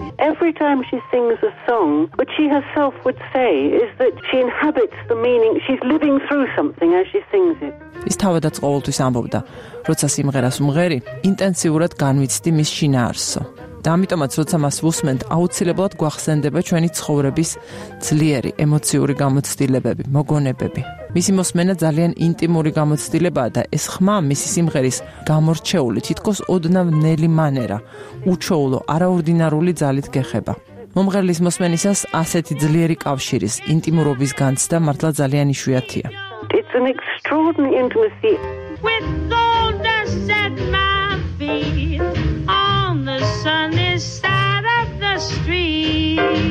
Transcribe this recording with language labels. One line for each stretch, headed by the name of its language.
English: Every time she sings a song, what she herself would say is that she inhabits the meaning, she's living through something as she sings it.
Georgian: ის თავადაც ყოველთვის ამბობდა, როცა სიმღერას მღერი, ინტენსიურად განვიცდი მის შინაარსო. და ამიტომაც, როცა მას ვუსმენთ, აუცილებლად გვახსენდება ჩვენი ცხოვრების ძლიერი ემოციური გამოცდილებები, მოგონებები. მისი მოსმენა ძალიან ინტიმური გამოცდილებაა და ეს ხმა, მისი სიმღერის გამორჩეული, თითქოს ოდნავ ნელი მანერა, უჩვეულო, არაორდინარული ძალით გეხება. მომღერლის მოსმენისას ასეთი ძლიერი კავშირის, ინტიმურობის განცდა მართლა ძალიან იშვიათია.
English: It's an extraordinary intimacy. With all the set my feet on the sunny side of the street.